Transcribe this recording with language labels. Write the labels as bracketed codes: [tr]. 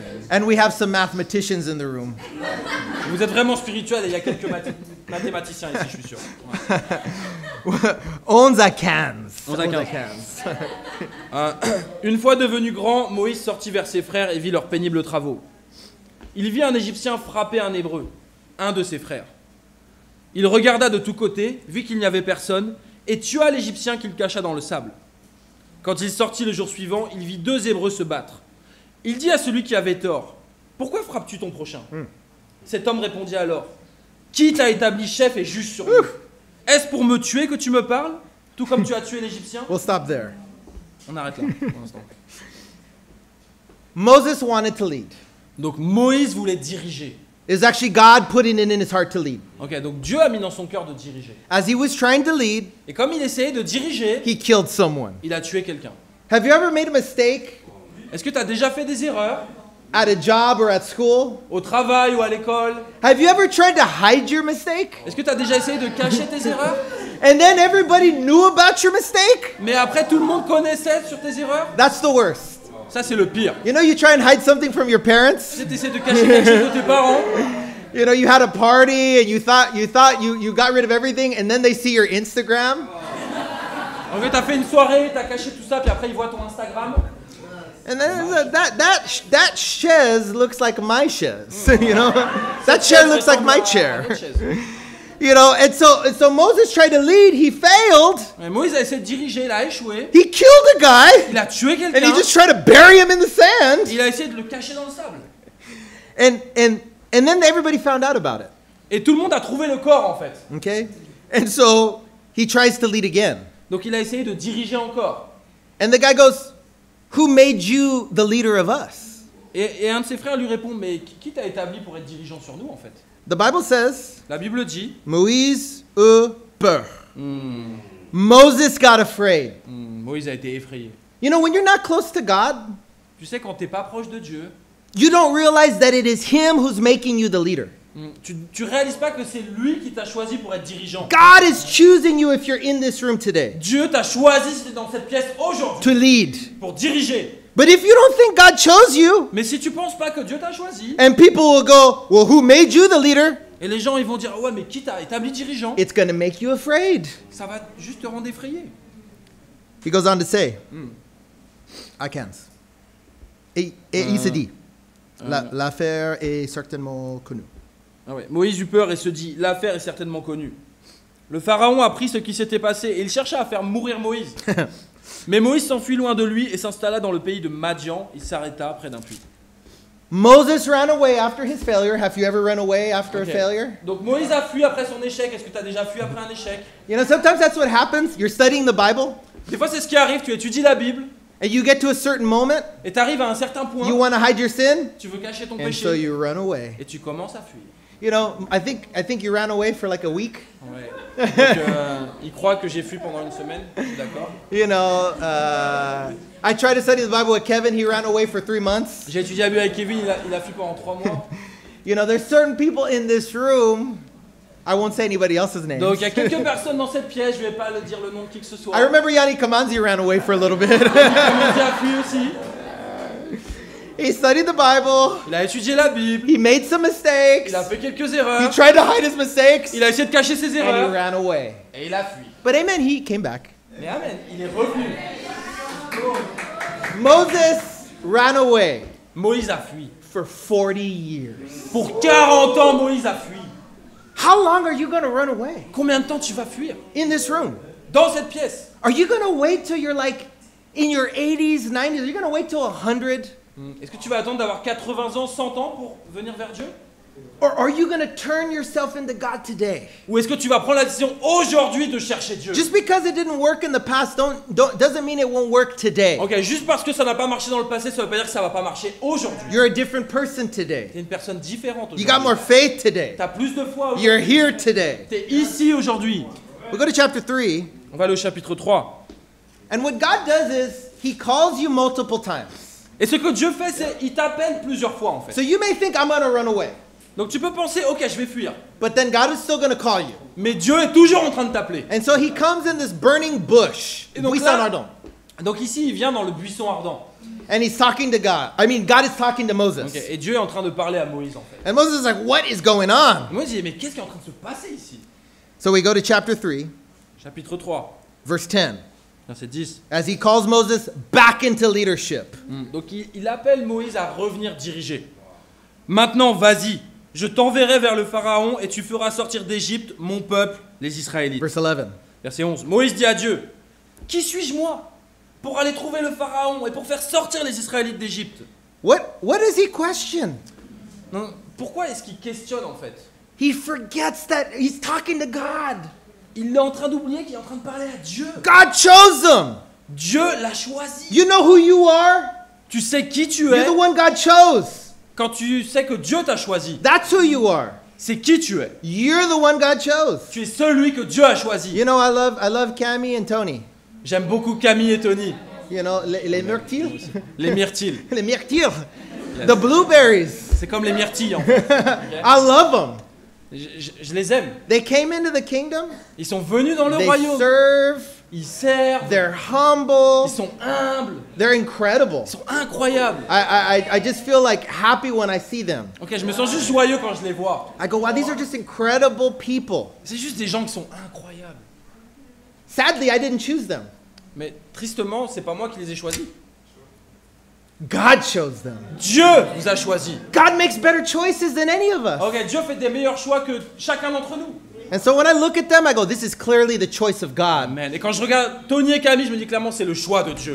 [en] And we have some mathematicians in the room. [fr] Vous êtes vraiment spirituel et il y a quelques mathématiciens ici, je suis sûr. Onze à quinze. Onze à quinze. Une fois devenu grand, Moïse sortit vers ses frères et vit leurs pénibles travaux. Il vit un Égyptien frapper un Hébreu, un de ses frères. Il regarda de tous côtés, vit qu'il n'y avait personne, et tua l'Égyptien qu'il cacha dans le sable. Quand il sortit le jour suivant, il vit deux Hébreux se battre. Il dit à celui qui avait tort, « Pourquoi frappes-tu ton prochain ?» Cet homme répondit alors, « Qui t'a établi chef et juge sur nous ? Est-ce pour me tuer que tu me parles, tout comme tu as tué l'Égyptien ?» [en] We'll stop there. [fr] On arrête là, pour l'instant. [en] Moses wanted to lead. [fr] Donc Moïse voulait diriger. [en] It's actually God putting it in his heart to lead. [fr] Okay, donc Dieu a mis dans son cœur de diriger. [en] As he was trying to lead, [fr] et comme il essayait de diriger, [en] he killed someone. [fr] Il a tué quelqu'un. [en] Have you ever made a mistake? [fr] Est-ce que tu as déjà fait des erreurs? [en] At a job or at school? [fr] Au travail ou à l'école? [en] Have you ever tried to hide your mistake? [fr] Est-ce que tu as déjà essayé de cacher tes erreurs? [en] And then everybody knew about your mistake? [fr] Mais après tout le monde connaissait sur tes erreurs? [en] That's the worst. [fr] Ça c'est le pire. [en] You know you try and hide something from your parents? [fr] Tu essaies de cacher quelque chose de tes parents? [en] You know you had a party and you thought you got rid of everything and then they see your Instagram? [fr] En fait, t'as fait une soirée, t'as caché tout ça, puis après ils voient ton Instagram. [en] And then that chaise looks like my chaise, you know. That chair looks like my chair. You know, and so Moses tried to lead, he failed. [fr] Mais Moïse a essayé de diriger, il a échoué. [en] He killed a guy. [fr] Il a tué quelqu'un. [en] And he just tried to bury him in the sand. [fr] Il a essayé de le cacher dans le sable. [en] And then everybody found out about it. [fr] Et tout le monde a trouvé le corps en fait. [en] Okay. And so he tries to lead again. [fr] Donc il a essayé de diriger encore. [en] And the guy goes, who made you the leader of us? [fr] Et un de ses frères lui répond, mais qui t'a établi pour être dirigeant sur nous en fait? [en] The Bible says, [fr] la Bible dit, Moïse eut peur. [en] Moses got afraid. [fr] Moïse a été effrayé. [en] You know, when you're not close to God, [fr] tu sais, quand t'es pas proche de Dieu, [en] you don't realize that it is him who's making you the leader. [fr] Tu réalises pas que c'est lui qui t'a choisi pour être dirigeant. [en] God is choosing you if you're in this room today. [fr] Dieu t'a choisi si t'es dans cette pièce aujourd'hui. [en] To lead. [fr] Pour diriger. [en] But if you don't think God chose you. [fr] Mais si tu penses pas que Dieu t'a choisi. [en] And people will go, well, who made you the leader? [fr] Et les gens ils vont dire, ouais, mais qui t'a établi dirigeant? [en] It's gonna make you afraid. [fr] Ça va juste te rendre effrayé. [en] He goes on to say, I can't. [fr] Et il s'est dit. L'affaire est certainement connue. Ah ouais. Moïse eut peur et se dit, l'affaire est certainement connue. Le pharaon apprit ce qui s'était passé et il chercha à faire mourir Moïse. Mais Moïse s'enfuit loin de lui et s'installa dans le pays de Madian. Il s'arrêta près d'un puits. [en] Moses ran away after his failure. Have you ever run away after a failure? [fr] Donc Moïse a fui après son échec. Est-ce que tu as déjà fui après un échec? [en] You know, sometimes that's what happens. You're studying the Bible. [fr] Des fois, c'est ce qui arrive. Tu étudies la Bible. [en] And you get to a certain moment. [fr] Et t'arrives à un certain point. [en] You want to hide your sin. [fr] Tu veux cacher ton péché. [en] And so you run away. [fr] Et tu commences à fuir. [en] You know, I think you ran away for like a week. [fr] Ouais. Il croit que j'ai fui pendant une semaine. D'accord. [en] You know, I tried to study the Bible with Kevin. He ran away for 3 months. [fr] J'ai étudié la Bible avec Kevin. Il a fui pendant 3 mois. [en] You know, there's certain people in this room. I won't say anybody else's name. [fr] Donc il y a quelques personnes dans cette pièce, je vais pas le dire le nom de qui que ce soit. [en] I remember Yanni Kamanzi ran away for a little bit. [fr] Il a fui aussi. [en] He studied the Bible. [fr] Il a étudié la Bible. [en] He made some mistakes. [fr] Il a fait quelques erreurs. [en] He tried to hide his mistakes. [fr] Il a essayé de cacher ses erreurs. [en] And he ran away. [fr] Et il a fui. [en] But amen, he came back. [fr] Mais amen, il est revenu. [en] Moses ran away. [fr] Moïse a fui. [en] For 40 years. [fr] Pour 40 ans, Moïse a fui. [en] How long are you going to run away? [fr] Combien de temps tu vas fuir? [en] In this room. [fr] Dans cette pièce. [en] Are you going to wait till you're like in your 80s, 90s? Are you going to wait till 100? [fr] Est-ce que tu vas attendre d'avoir 80 ans, 100 ans pour venir vers Dieu? [en] Or are you going to turn yourself into God today? [fr] Ou est-ce que tu vas prendre la décision aujourd'hui de chercher Dieu? [en] Just because it didn't work in the past don't doesn't mean it won't work today. [fr] OK, juste parce que ça n'a pas marché dans le passé, ça veut pas dire que ça va pas marcher aujourd'hui. [en] You're a different person today. [fr] Tu es une personne différente aujourd'hui. [en] You got more faith today. [fr] Tu as plus de foi aujourd'hui. [en] You're here today. [fr] Tu es ici aujourd'hui. [en] We go to chapter 3. [fr] On va aller au chapitre 3. [en] And what God does is he calls you multiple times. [fr] Et ce que Dieu fait c'est il t'appelle plusieurs fois en fait. [en] So you may think I'm going to run away. [fr] Donc tu peux penser, ok, je vais fuir. [en] But then God is still gonna call you. [fr] Mais Dieu est toujours en train de t'appeler. [en] And so he comes in this burning bush. [fr] Buisson ardent. Donc ici, il vient dans le buisson ardent. [en] And he's talking to God. I mean, God is talking to Moses. Okay. [fr] Et Dieu est en train de parler à Moïse en fait. [en] And Moses is like, what is going on? [fr] Moïse dit, mais qu'est-ce qui est en train de se passer ici? [en] So we go to chapter 3. [fr] Chapitre 3. [en] Verse 10. [fr] Verset 10. [en] As he calls Moses back into leadership. [fr] Donc il appelle Moïse à revenir diriger. Maintenant, vas-y. Je t'enverrai vers le Pharaon et tu feras sortir d'Égypte mon peuple, les Israélites. [en] Verse 11. [fr] Verset 11. Moïse dit à Dieu, qui suis-je moi pour aller trouver le Pharaon et pour faire sortir les Israélites d'Égypte? [en] What does he question? [fr] Non, pourquoi est-ce qu'il questionne en fait? [en] He forgets that he's talking to God. [fr] Il est en train d'oublier qu'il est en train de parler à Dieu. [en] God chose him. [fr] Dieu l'a choisi. [en] You know who you are? [fr] Tu sais qui tu [en] You're [fr] es? [en] You're the one God chose. [fr] Quand tu sais que Dieu t'a choisi. [en] That's who you are. [fr] C'est qui tu es. [en] You're the one God chose. [fr] Tu es celui que Dieu a choisi. [en] You know, I love Cammy and Tony. [fr] J'aime beaucoup Cammy et Tony. [en] You know, les myrtilles. [fr] Les myrtilles. [en] Les myrtilles. Yes. The blueberries. [fr] C'est comme les myrtilles, en fait. [en] Okay. I love them. [fr] Je les aime. [en] They came into the kingdom. [fr] Ils sont venus dans le royaume. [en] They serve. [fr] Ils servent. [en] They're humble. [fr] Ils sont humbles. [en] They're incredible. [fr] Ils sont incroyables. [en] I just feel like happy when I see them. [fr] Okay, je me sens juste joyeux quand je les vois. [en] I go, wow, these are just incredible people. [fr] C'est juste des gens qui sont incroyables. [en] Sadly, I didn't choose them. [fr] Mais tristement, c'est pas moi qui les ai choisis. [en] God chose them. [fr] Dieu nous a choisis. [en] God makes better choices than any of us. [fr] Okay, Dieu fait des meilleurs choix que chacun d'entre nous. [en] And so when I look at them, I go, this is clearly the choice of God. Amen. [fr] Et quand je regarde Tony et Camille, je me dis clairement, c'est le choix de Dieu.